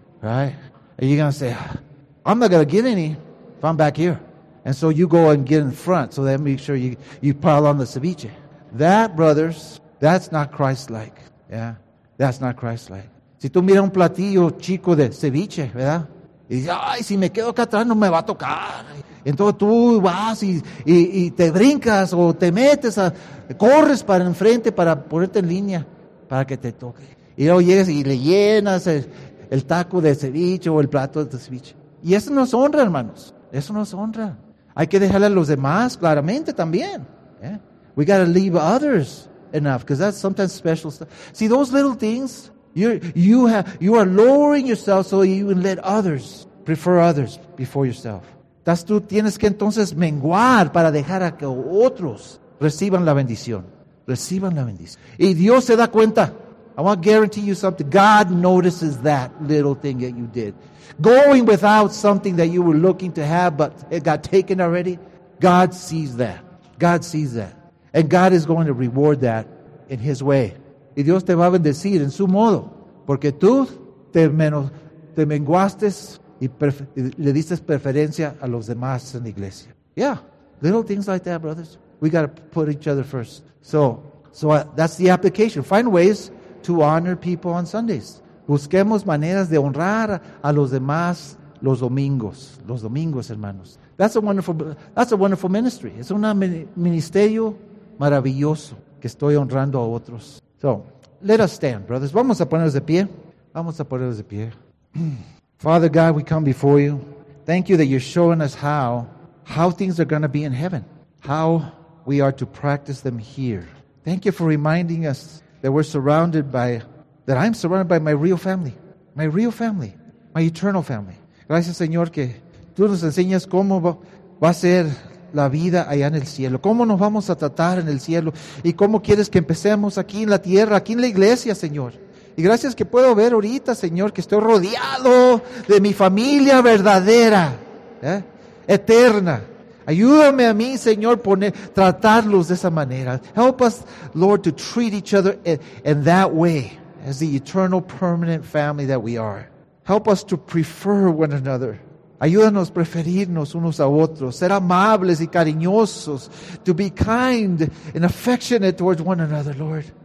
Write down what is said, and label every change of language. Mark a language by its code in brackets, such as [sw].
[en] Right? And you're going to say, I'm not going to get any if I'm back here. And so you go and get in front. So then make sure you pile on the ceviche. That, brothers, that's not Christ-like. Yeah? That's not Christ-like. [es] Si tú miras un platillo chico de ceviche, ¿verdad? Y dices, ay, si me quedo acá atrás no me va a tocar. Entonces tú vas y te brincas o te metes, corres para enfrente para ponerte en línea para que te toque. Y luego llegas y le llenas el taco de ceviche o el plato de ceviche. Y eso nos honra, hermanos. Eso nos honra. Hay que dejarle a los demás claramente también. [en] Yeah. We gotta leave others enough because that's sometimes special stuff. See, those little things, you are lowering yourself so you can let others prefer others before yourself. [es] Entonces tú tienes que entonces menguar para dejar a que otros reciban la bendición. Reciban la bendición. Y Dios se da cuenta. [en] I want to guarantee you something. God notices that little thing that you did. Going without something that you were looking to have, but it got taken already. God sees that. God sees that. And God is going to reward that in His way. [es] Y Dios te va a bendecir en su modo. Porque tú te menguaste y le diste preferencia a los demás en la iglesia. [en] Yeah. Little things like that, brothers. We got to put each other first. So that's the application. Find ways to honor people on Sundays. [es] Busquemos maneras de honrar a los demás los domingos. Los domingos, hermanos. [en] That's a wonderful ministry. [es] Es un ministerio maravilloso que estoy honrando a otros. [en] So, let us stand, brothers. [es] Vamos a ponernos de pie. Vamos a ponernos de pie. [en] Father God, we come before you. Thank you that you're showing us how things are going to be in heaven. How we are to practice them here. Thank you for reminding us that we're surrounded by, that I'm surrounded by my real family, my eternal family. [es] Gracias, Señor, que tú nos enseñas cómo va a ser la vida allá en el cielo. Cómo nos vamos a tratar en el cielo. Y cómo quieres que empecemos aquí en la tierra, aquí en la iglesia, Señor. Y gracias que puedo ver ahorita, Señor, que estoy rodeado de mi familia verdadera, eterna. Ayúdame a mí, Señor, tratarlos de esa manera. [en] Help us, Lord, to treat each other in that way, as the eternal, permanent family that we are. Help us to prefer one another. [es] Ayúdanos a preferirnos unos a otros, ser amables y cariñosos, [en] to be kind and affectionate towards one another, Lord.